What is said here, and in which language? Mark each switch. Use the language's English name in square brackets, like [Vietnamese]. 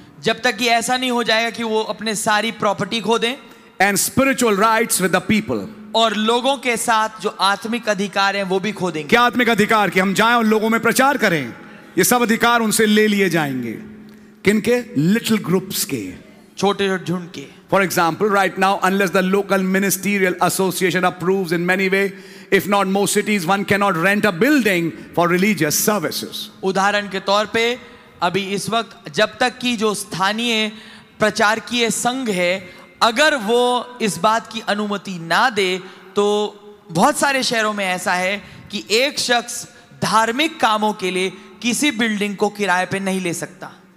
[Hindi] जब तक कि ऐसा नहीं हो जाएगा कि वो अपने सारी प्रॉपर्टी खो दें. [English] and spiritual rights with the people, [Hindi] और लोगों के साथ जो आत्मिक अधिकार हैं वो भी खो देंगे. क्या आत्मिक अधिकार? कि हम जाएं और लोगों में प्रचार करें, ये सब अधिकार उनसे ले लिए जाएंगे. किनके? [English] little groups [Hindi] के, छोटे छोटे झुंड के. [English] For example, right now, unless the local ministerial association approves in many way, if not most cities, one cannot rent a building for religious services. [Hindi] उदाहरण के तौर पे, अभी इस वक्त जब तक की जो स्थानीय प्रचारकीय संघ है, अगर वो इस बात की अनुमति ना दे, तो बहुत सारे शहरों में ऐसा है कि एक शख्स धार्मिक कामों के लिए किसी बिल्डिंग को किराए पे नहीं ले सकता.